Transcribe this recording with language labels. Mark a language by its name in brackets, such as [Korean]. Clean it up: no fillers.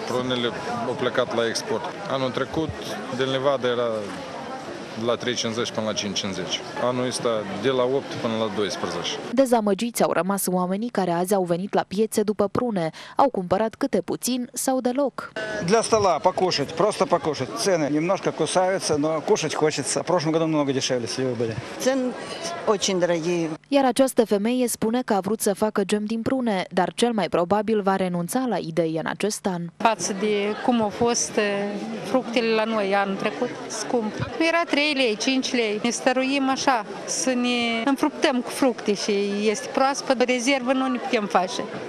[Romanian] Prunele au plecat la export. Anul trecut, din livadă era de la 3,50 până la 5,50. Anul ăsta de la 8 până la 12. Dezamăgiți au rămas oamenii care azi au venit la piețe după prune. Au cumpărat câte puțin sau deloc. [Russian] Для стола покушать, просто покушать. Цены немножко кусаются, но кушать хочется. В прошлом году много дешевле сливы были. Цены очень дорогие. [Romanian] Iar această femeie spune că a vrut să facă gem din prune, dar cel mai probabil va renunța la idee în acest an. Față de cum au fost fructele la noi anul trecut, scump. Era 3 lei, 5 lei. Ne stăruim așa, să ne înfructăm cu fructe și este proaspăt, rezervă nu ne putem face.